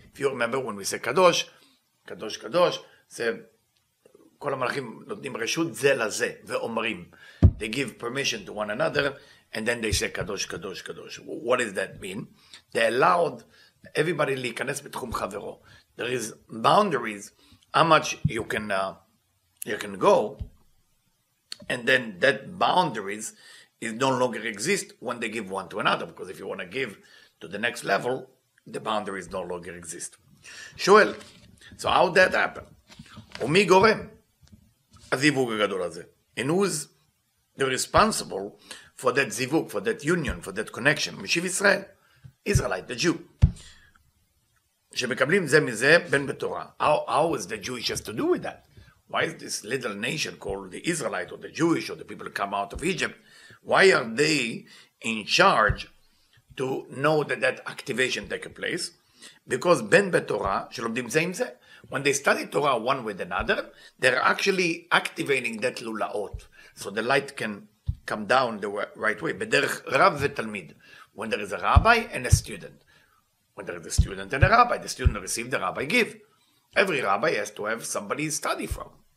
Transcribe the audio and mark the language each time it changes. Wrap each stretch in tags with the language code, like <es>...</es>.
<en>If you remember when we say קדוש, קדוש קדוש,</en> <he>זה כל המלאכים נותנים רשות זה לזה ואומרים,</he> <en>they give permission to one another, and then they say קדוש קדוש קדוש. What does that mean? They allowed everybody</en> <he>להיכנס בתחום חברו.</he> <en>There is boundaries how much you can go, and then that boundaries is no longer exist when they give one to another, because if you want to give to the next level, the boundaries no longer exist. Shoel, so how did that happen?</en> <he>Umi gorem azivug gadol hazeh,</he> <en>and who's the responsible for that zivug, for that union, for that connection? Mishiv Israel, Israelite, the Jew.</en> <he>שמקבלים זה מזה בין בתורה.</he> <en>How is the Jewish has to do with that? Why is this little nation called the Israelite or the Jewish or the people who come out of Egypt? Why are they in charge to know that that activation take a place? Because</en> <he>בין בתורה שלומדים זה עם זה.</he> <en>When they study Torah one with another, they're actually activating that lulaot. So the light can come down the right way.</en> <he>בדרך רב ותלמיד.</he> <en>When there is a rabbi and a student. When there is a student and a rabbi, the student receives, the rabbi gives. Every rabbi has to have somebody study from.</en>